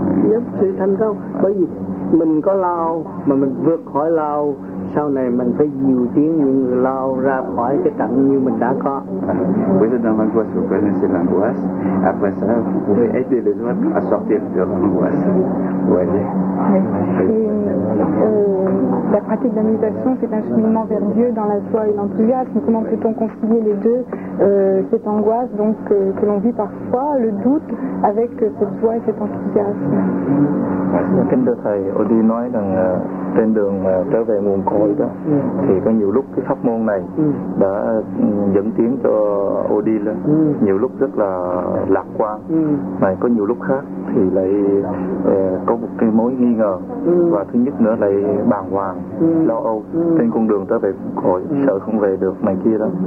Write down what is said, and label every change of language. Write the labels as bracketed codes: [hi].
[vi] Giúp sự thành công, bởi vì mình có lao mà mình vượt khỏi lao, sau này mình phải nhiều tiếng những người lao ra khỏi cái cảnh như mình đã có. [fr] Vous êtes dans l'angoisse, vous connaissez l'angoisse. Après ça, vous pouvez aider les autres à sortir de l'angoisse. Voyez. La pratique de la méditation, c'est un cheminement vers Dieu dans la joie et l'enthousiasme. Comment peut-on concilier les deux, cette angoisse donc, que l'on vit parfois, le doute, avec cette joie et cet enthousiasme? [vi] Kính thưa thầy, Odi nói rằng trên đường mà trở về nguồn cội đó, thì có nhiều lúc cái pháp môn này đã dẫn tiến cho Odi lên, nhiều lúc rất là lạc quan, mà có nhiều lúc khác thì lại có một cái mối nghi ngờ, và thứ nhất nữa lại bàng hoàng, lo âu trên con đường trở về nguồn cội, sợ không về được này kia đó.